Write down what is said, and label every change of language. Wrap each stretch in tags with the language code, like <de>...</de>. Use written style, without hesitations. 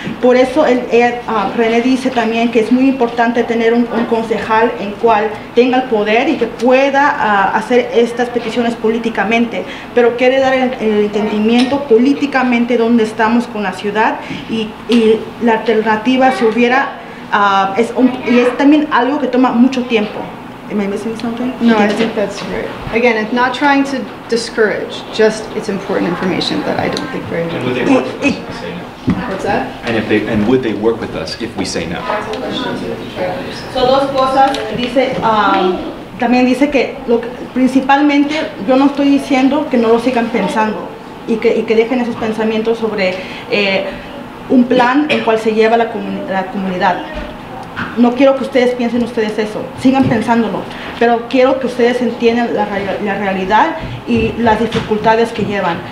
<es>Por eso René dice también que es muy importante tener un concejal en cual tenga el poder y que pueda hacer estas peticiones políticamente, pero quiere dar el entendimiento políticamente dónde estamos con la ciudad y la alternativa si hubiera y es también algo que toma mucho tiempo.</es> <en>Am I missing something? No, I think that's great. Again, it's not trying to discourage, just it's important information that I don't think very much. And would they work with us if we say no? What's that? And would they work with us if we say no?</en> <es>So, dos cosas. Dice, también dice que lo, principalmente yo no estoy diciendo que no lo sigan pensando y que dejen esos pensamientos sobre un plan en cual se lleva la comunidad. No quiero que ustedes piensen ustedes eso. Sigan pensándolo. Pero quiero que ustedes entiendan la realidad y las dificultades que llevan.</es>